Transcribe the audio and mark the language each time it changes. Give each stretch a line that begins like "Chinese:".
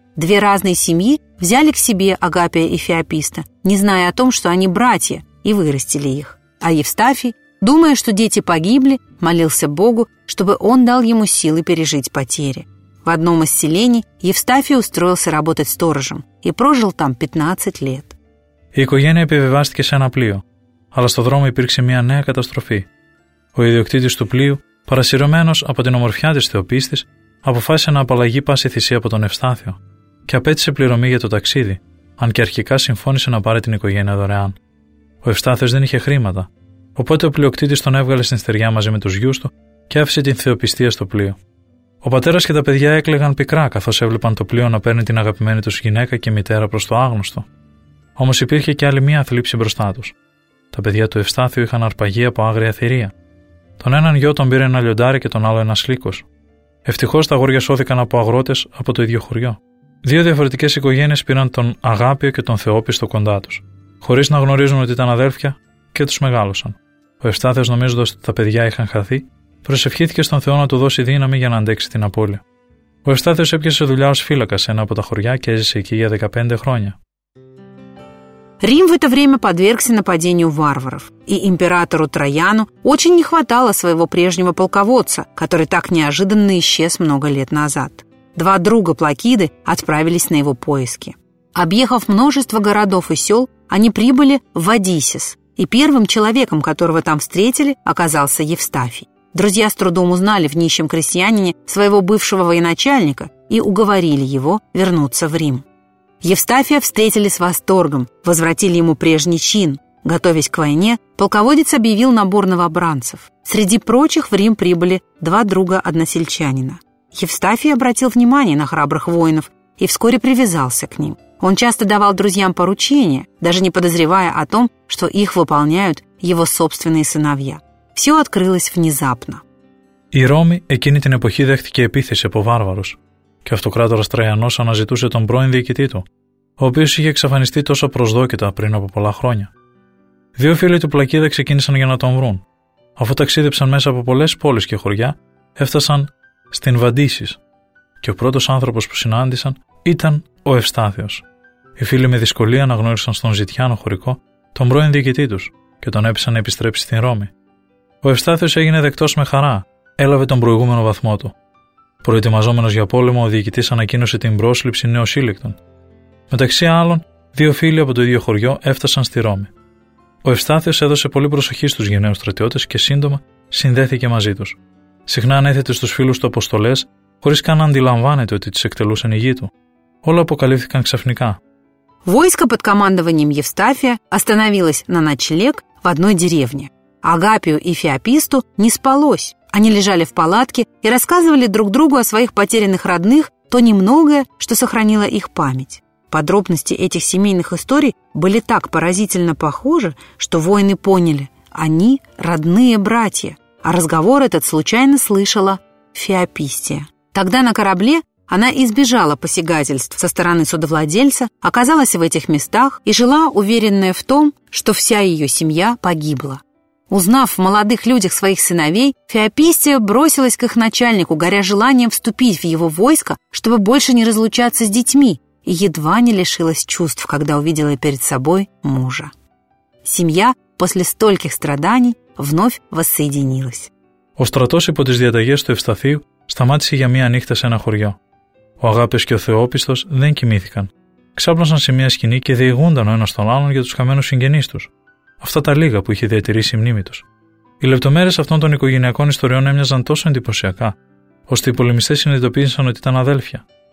Russian: Две разные семьи взяли к себе Агапия и Феописта, не зная о том, что они братья, и вырастили их. А Евстафий, думая, что дети погибли, молился Богу, чтобы он дал ему силы пережить потери. В одном из селений Евстафий устроился работать сторожем и прожил там 15 лет.
Greek: Η οικογένεια επιβιβάστηκε σε ένα πλοίο, αλλά στο δρόμο υπήρξε μια νέα καταστροφή. Ο ιδιοκτήτης του πλοίου, παρασυρωμένος από την ομορφιά της Θεοπίστης, αποφάσισε να απαλλαγεί πάση θυσία από τον Ευστάθιο και απέτησε πληρωμή για το ταξίδι, αν και αρχικά συμφώνησε να πάρει την οικογένεια δωρεάν. Ο Ευστάθιος δεν είχε χρήματα, οπότε ο πλοιοκτήτης τον έβγαλε στην στεριά μαζί με τους γιους του και άφησε την Θεοπιστία στο πλοίο. Ο πατέρας και τα παιδιά έκλαιγαν πικρά καθώς έβλεπαν το πλοίο να παίρνει την αγαπημένη τους γυναίκα και μητέρα προς το άγνωστο. Όμως υπήρχε και άλλη μία θλίψη μπροστά τους. Τα παιδιά του Ευστάθιου είχαν αρπαγεί από άγρια θηρία. Τον έναν γιο τον πήρε ένα λιοντάρι και τον άλλο ένα λύκος. Ευτυχώς τα αγόρια σώθηκαν από αγρότες από το ίδιο χωριό. Δύο διαφορετικές οικογένειες πήραν τον Αγάπιο και τον Θεόπιστο κοντά τους, χωρίς να γνωρίζουν ότι ήταν αδέλφια και τους μεγάλωσαν. Ο Ευστάθιος, νομίζοντας ότι τα παιδιά είχαν χαθεί, προσευχήθηκε στον Θεό να του δώσει δύναμη για να αντέξει την απώλεια. Ο Ευστάθιος έπιασε δουλειά ως φύλακα σε ένα από τα χωριά και έζησε εκεί για 15 χρόνια.
Russian: Рим в это время подвергся нападению варваров, и императору Траяну очень не хватало своего прежнего полководца, который так неожиданно исчез много лет назад. Два друга Плакиды отправились на его поиски. Объехав множество городов и сел, они прибыли в Одиссис, и первым человеком, которого там встретили, оказался Евстафий. Друзья с трудом узнали в нищем крестьянине своего бывшего военачальника и уговорили его вернуться в Рим. Евстафия встретили с восторгом, возвратили ему прежний чин. Готовясь к войне, полководец объявил набор новобранцев. Среди прочих в Рим прибыли два друга-односельчанина. Евстафий обратил внимание на храбрых воинов и вскоре привязался к ним. Он часто давал друзьям поручения, даже не подозревая о том, что их выполняют его собственные сыновья. Все открылось внезапно.
Greek: И Роми экини тен эпохи дехтике эпитесе по варварус. Και αυτοκράτορας Τραϊανός αναζητούσε τον πρώην διοικητή του, ο οποίος είχε εξαφανιστεί τόσο προσδόκητα πριν από πολλά χρόνια. Δύο φίλοι του Πλακίδα ξεκίνησαν για να τον βρουν. Αφού ταξίδεψαν μέσα από πολλές πόλεις και χωριά, έφτασαν στην Βαντίσης. Και ο πρώτος άνθρωπος που συνάντησαν ήταν ο Ευστάθιος. Οι φίλοι με δυσκολία αναγνώρισαν στον Ζητιάνο χωρικό τον πρώην διοικητή τους και τον έπεισαν να επιστρέψει στην Ρώμη. Ο Ευστάθιος έγινε δεκτός με χαρά, έλαβε τον προηγούμενο βαθμό του. Προετοιμαζόμενος για πόλεμο, ο διοικητής ανακοίνωσε την πρόσληψη νέων σύλλεκτων. Μεταξύ άλλων, δύο φίλοι από το ίδιο χωριό έφτασαν στη Ρώμη. Ο Ευστάθιος έδωσε πολύ προσοχή στους γενναίους στρατιώτες και σύντομα συνδέθηκε μαζί τους. Συχνά ανέθετε στους φίλους του αποστολές, χωρίς καν να αντιλαμβάνεται ότι τις εκτελούσαν οι γη του. Όλα αποκαλύφθηκαν ξαφνικά.
Russian: Войско под командованием Евстафия остановилось на ночлег в одной деревне. Агапию и Феописту не спалось. Они лежали в палатке и рассказывали друг другу о своих потерянных родных то немногое, что сохранило их память. Подробности этих семейных историй были так поразительно похожи, что воины поняли – они родные братья, а разговор этот случайно слышала Феопистия. Тогда на корабле она избежала посягательств со стороны судовладельца, оказалась в этих местах и жила, уверенная в том, что вся ее семья погибла. Узнав в молодых людях своих сыновей, Феопистия бросилась к их начальнику, горя желанием вступить в его войско, чтобы больше не разлучаться с детьми, и едва не лишилась чувств, когда увидела перед собой мужа. Семья после стольких страданий вновь воссоединилась.
Greek: Ο στρατός υπό τις διαταγές του Ευσταθείου σταμάτησε για μία νύχτα σε ένα χωριό. Ο Αγάπης και ο Θεόπιστος δεν κοιμήθηκαν. Ξάπλωσαν σε μία σκηνή και διηγούνταν ο ένας τον άλλον για τους χαμένους συγγενείς τους. Αυτά τα λίγα που είχε διατηρήσει η μνήμη τους. Οι λεπτομέρειες αυτών των οικογενειακών ιστοριών έμοιαζαν τόσο εντυπωσιακά, ώστε οι πολεμιστές συνειδητοποίησαν ότι ήταν αδέλφια.